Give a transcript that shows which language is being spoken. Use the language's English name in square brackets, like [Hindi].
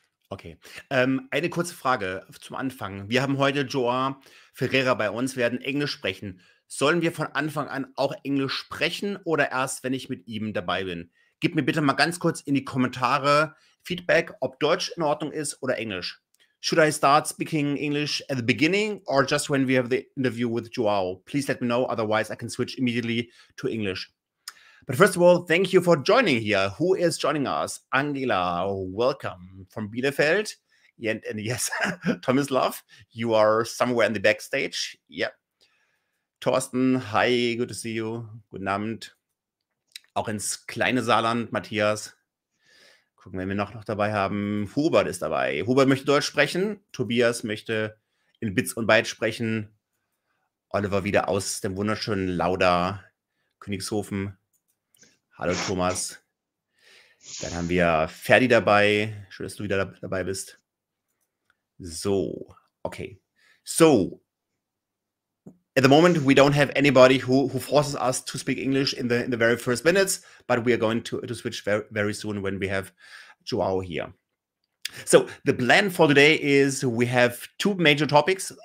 [German] Okay. Eine kurze Frage zum Anfang. Wir haben heute Joao Ferreira bei uns, werden Englisch sprechen. Sollen wir von Anfang an auch Englisch sprechen oder erst, wenn ich mit ihm dabei bin? Gib mir bitte mal ganz kurz in die Kommentare Feedback, ob Deutsch in Ordnung ist oder Englisch. [English] Should I start speaking English at the beginning or just when we have the interview with Joao? Please let me know, otherwise I can switch immediately to English. But first of all, thank you for joining here. Who is joining us? Angela, welcome from Bielefeld. And yes, Tomislav, you are somewhere in the backstage. Yep. Thorsten, hi, good to see you. [German] Guten Abend. Auch ins kleine Saarland, Matthias. Gucken, wen wir noch dabei haben. Hubert ist dabei. Hubert möchte Deutsch sprechen. Tobias möchte in Bits und Bytes sprechen. Oliver wieder aus dem wunderschönen Lauda, Königshofen. Hallo Thomas, dann haben wir Ferdi dabei, schön, dass du wieder dabei bist. So, okay. [English] So, at the moment we don't have anybody who forces us to speak English in the very first minutes, but we are going to switch very, very soon when we have Joao here. So, the plan for today is we have two major topics.